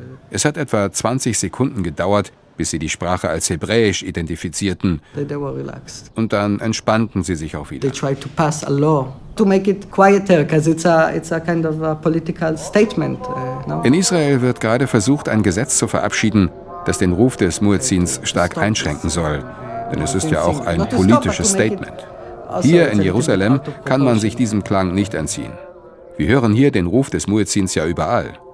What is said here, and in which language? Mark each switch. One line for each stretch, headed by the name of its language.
German: Es hat etwa 20 Sekunden gedauert, bis sie die Sprache als Hebräisch identifizierten.
English: They were relaxed.
German: Und dann entspannten sie sich auch wieder.
English: They tried to pass a law to make it quieter, because it's a kind of a political statement.
German: In Israel wird gerade versucht, ein Gesetz zu verabschieden, das den Ruf des Muezzins stark einschränken soll. Denn es ist ja auch ein politisches Statement. Hier in Jerusalem kann man sich diesem Klang nicht entziehen. Wir hören hier den Ruf des Muezzins ja überall.